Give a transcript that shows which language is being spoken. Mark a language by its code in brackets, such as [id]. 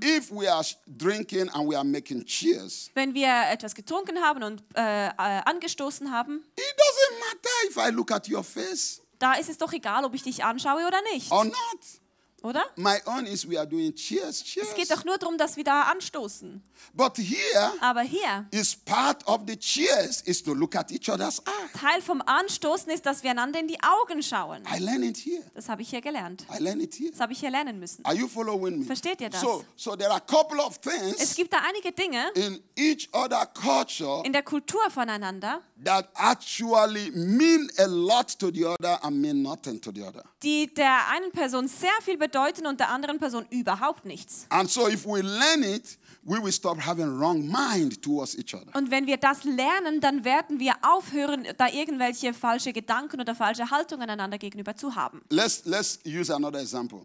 [en] if we are drinking and we are making cheers, [de] wenn wir etwas getrunken haben und angestoßen haben, [en] it doesn't matter if I look at your face, [de] da ist es doch egal, ob ich dich anschaue oder nicht, [en] or not, [de] oder? [en] My own is we are doing cheers, cheers. [de] Es geht doch nur darum, dass wir da anstoßen. [en] But here, [de] aber hier, [en] is part of the cheers is to look at each other's eyes. [de] Teil vom Anstoßen ist, dass wir einander in die Augen schauen. [en] I learned it here. [de] Das habe ich hier gelernt. [en] I learned it here. [de] Das habe ich hier lernen müssen. [en] Are you following me? [de] Versteht ihr das? [en] So there are a couple of things. [de] Es gibt da einige Dinge [en] in each other culture. [de] In der Kultur voneinander. [en] That actually mean a lot to the other and mean nothing to the other. [de] Die der einen Person sehr viel bedeuten und der anderen Person überhaupt nichts. [en] And so if we learn it, we will stop having wrong mind towards each other. [de] Und wenn wir das lernen, dann werden wir aufhören, da irgendwelche falsche Gedanken oder falsche Haltungen einander gegenüber zu haben. [en] Let's use another example.